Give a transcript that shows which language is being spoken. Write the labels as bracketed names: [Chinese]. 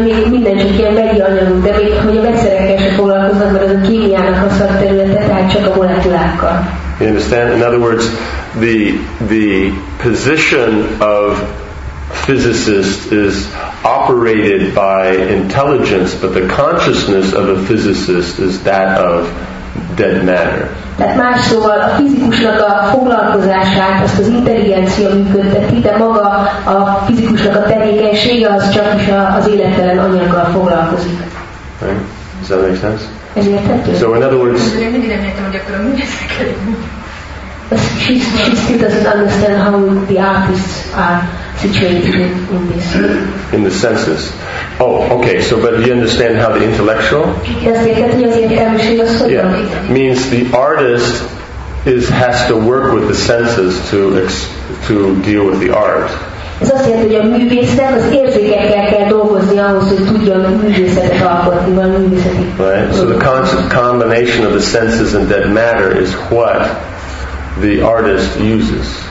[Hungarian] Minden csak ilyen vegyi anyagunk, de még hogy a vegyszerekkel sem foglalkoznak, mert az a kémiának a szakterülete, tehát csak a molekulákkal. [English] You understand? In other words, the position of physicist is operated by intelligence, but the consciousness of a physicist is that of dead matter. [Hungarian] Tehát más szóval a fizikusnak a foglalkozását, azt az intelligencia működteti, de maga a fizikusnak a tevékenysége az csak is az élettelen anyaggal foglalkozik. [English] Right? Does that make sense? [Hungarian] Ezért [English] tettő. So in other words... She doesn't understand how the artists are situated in this. In the senses. Oh, okay, so but you understand how the intellectual? Yeah. Means the artist has to work with the senses to deal with the art. [Hungarian] Ez azt jelenti, hogy a művésznek az érzékekkel kell dolgozni ahhoz, hogy tudja a művészetet alkotni, vagy művészeti. [English] Right, so the combination of the senses and dead matter is what the artist uses.